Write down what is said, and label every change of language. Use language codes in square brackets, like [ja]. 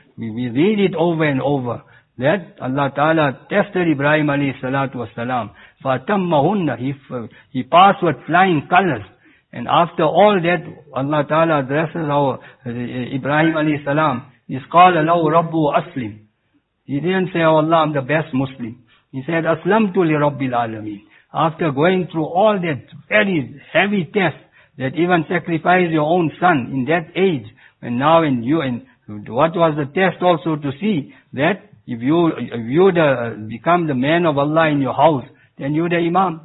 [en] We read it over and over. That Allah ta'ala tested Ibrahim alayhi salatu was salam. فَتَمَّهُنَّ He passed with flying colors. And after all that, Allah ta'ala addresses our Ibrahim alayhi salam. He's called Allahu Rabbu Aslim. He didn't say, oh Allah, I'm the best Muslim. [ar] He said, أَسْلَمْتُ لِرَبِّ الْعَالَمِينَ. [en] After going through all that very heavy test, that even sacrifice your own son in that age, and now in you, and what was the test also to see that if you become the man of Allah in your house, then you the imam.